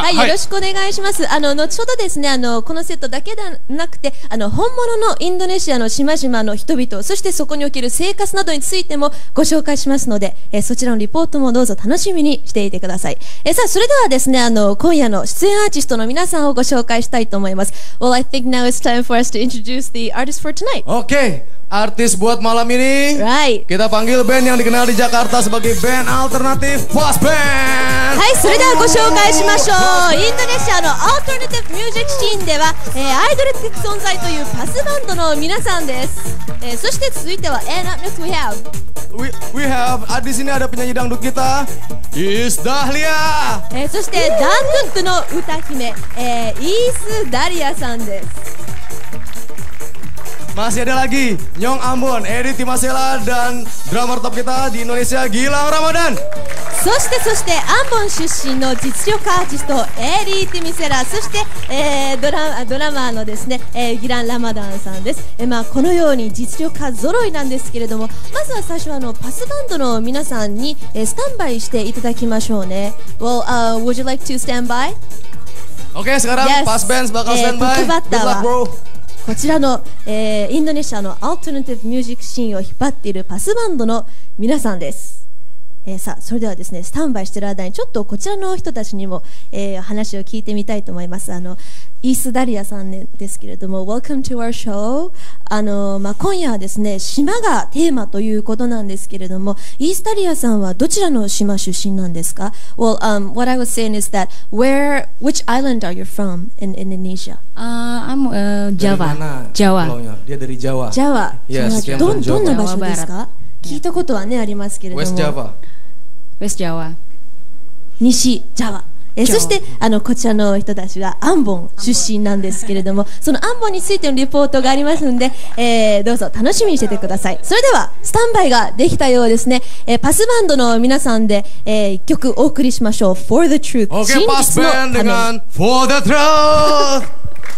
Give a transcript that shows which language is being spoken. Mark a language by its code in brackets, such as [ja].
[ja] はい、はい、よろしくお願いします。あの後ほどですね、あのこのセットだけではなくて、あの本物のインドネシアの島々の人々、そしてそこにおける生活などについてもご紹介しますので、そちらのリポートもどうぞ楽しみにしていてください。さあ、それではですね、あの今夜の出演アーティストの皆さんをご紹介したいと思います。 [en] Well, I think now it's time for us to introduce the artist for tonight. [id] Okay. Artis buat malam ini, [en] right. [id] kita panggil band yang dikenal di Jakarta sebagai band alternatif fast band. [ja] Hai, それではご紹介しましょう。インドネシアのアルタナティブミュージックシーンでは、アイドル的存在というパスバンドの皆さんです。そして続いては、 [en] and up next we have, [id] あ、di sini ada penyanyi dangdut kita, Is Dahlia. [ja] そして、ダンドットの歌姫、Is Dahlia さんです。 [id] Masih ada lagi, Nyong Ambon, Edi Timasela, dan drummer top kita di Indonesia, Gilang Ramadan. [ja] そして Ambon 出身の実力アーティスト Edi Timasela, そして、ドラマーのですね、Gilang Ramadan さんです。まあこのように実力派ぞろいなんですけれども、まずは最初はあのパスバンドの皆さんに、スタンバイしていただきましょうね。 [en] Well, would you like to stand by? [id] Okay, sekarang [en] yes. [id] pas band bakal stand by. [en] Good luck, bro. [ja] こちらの、インドネシアのアルタナティブミュージックシーンを引っ張っているパスバンドの皆さんです。さあそれではですねスタンバイしている間にちょっとこちらの人たちにも、話を聞いてみたいと思います。あのイースダリアさんですけれども [en] Welcome to our show。 [ja] まあ、今夜はですね島がテーマということなんですけれどもイースダリアさんはどちらの島出身なんですか？ [en] Well, what I was saying is that which island are you from in Indonesia? I'm Java. Java. [id] Dia dari Jawa. [en] Java. Yes, [ja] どんな場所ですか？聞いたことはねありますけれども [en] West Java. West Java. [ja] 西ジャワ。そしてあのこちらの人たちはアンボン出身なんですけれどもそのアンボンについてのリポートがありますので、どうぞ楽しみにしててください。それではスタンバイができたようですね、パスバンドの皆さんで、曲お送りしましょう For the Truth okay, 真実のため For the Truth